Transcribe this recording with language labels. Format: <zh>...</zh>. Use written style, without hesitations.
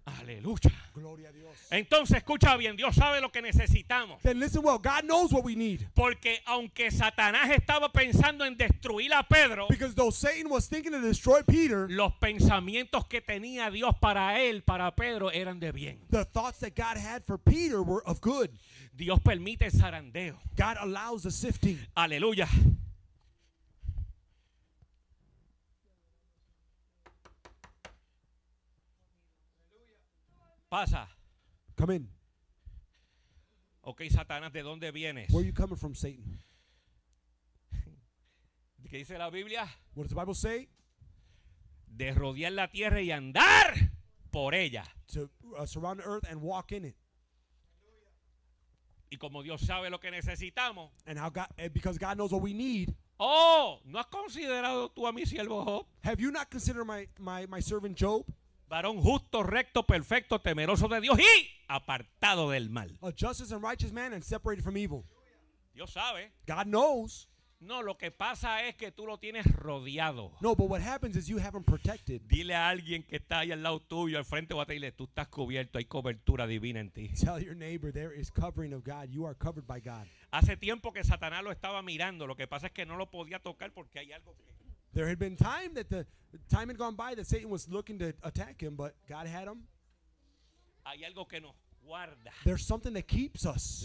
<es>Aleluya. Gloria a Dios. Entonces escucha bien, Dios sabe lo que necesitamos.</es> <en>Then listen well, God knows what we need.</en> <es>Porque aunque Satanás estaba pensando en destruir a Pedro,</es> <en>because though Satan was thinking to destroy Peter,</en> <es>los pensamientos que tenía Dios para él, para Pedro, eran de bien.</es> <en>The thoughts that God had for Peter were of good.</en> <es>Dios permite el zarandeo.</es> <en>God allows the sifting.</en> <es>Aleluya. Pasa.</es> <en>Come in.</en> <es>Okay, Satanás, ¿de dónde vienes?</es> <en>Where are you coming from, Satan?</en> <es>¿Qué dice la Biblia?</es> <en>What does the Bible say?</en> <es>De rodear la tierra y andar por ella.</es> <en>To surround the earth and walk in it.</en> <es>Y como Dios sabe lo que necesitamos.</es> <en>And how God, because God knows what we need.</en> <es>Oh, ¿no has considerado tú a mi siervo Job?</es> <en>Have you not considered my servant Job?</en> <es>Varón justo, recto, perfecto, temeroso de Dios y apartado del mal.</es> <en>A just and righteous man and separated from evil.</en> <es>Dios sabe.</es> <en>God knows.</en> <es>No, lo que pasa es que tú lo tienes rodeado.</es> <en>No, but what happens is you have him protected.</en> <es>Dile a alguien que está ahí al lado tuyo, al frente, o a ti, dile, tú estás cubierto, hay cobertura divina en ti.</es> <en>Tell your neighbor, there is covering of God. You are covered by God.</en> <es>Hace tiempo que Satanás lo estaba mirando. Lo que pasa es que no lo podía tocar porque hay algo que...</es> <en>There had been time that the time had gone by that Satan was looking to attack him, but God had him.</en> <es>Hay algo que nos guarda.</es> <en>There's something that keeps us.</en>